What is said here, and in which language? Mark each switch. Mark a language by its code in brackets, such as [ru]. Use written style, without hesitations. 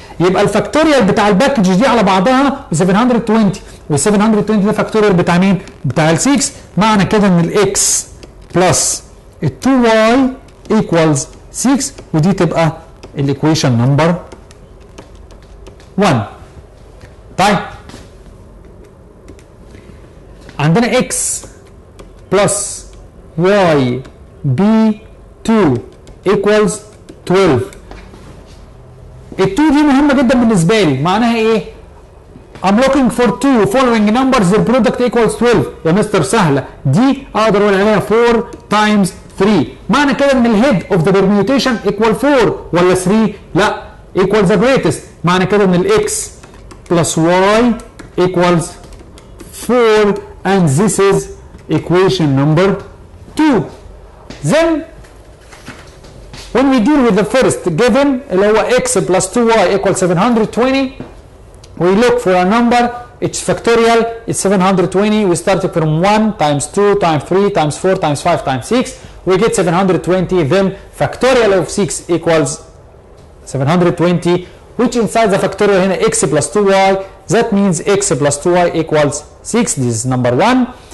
[ar] يبقى الفاكتوريال بتاع الباكج دي على بعضها ب 720, وال 720 ده فاكتوريال بتاع مين؟ بتاع ال 6. معنى كده ان الاكس بلس 2y [en] equals 6, [ar] ودي تبقى الايكويشن نمبر 1. طيب عندنا x بلس y b 2 [en] equals 12. [ar] ال 2 دي مهمة جدا بالنسبة لي, معناها ايه؟ [en] I'm looking for 2 following numbers the product equals 12. [ar] يا مستر سهلة دي, اقدر اقول عليها [en] 4 times 3, [ar] معنى كده ان الهيد اوف ذا برميوتيشن [en] equal 4 [ar] ولا 3؟ لا, [en] equal the greatest, [ar] معنى كده ان الاكس بلس y [en] equals 4 and this is equation number 2. Then when we deal with the first given [ar] اللي هو [en] x plus 2y equals 720, we look for a number, it's factorial, it's 720, we start from 1 times 2 times 3 times 4 times 5 times 6, we get 720, then factorial of 6 equals 720, which inside the factorial [ar] هنا [en] x plus 2y, that means x plus 2y equals 6, this is number 1.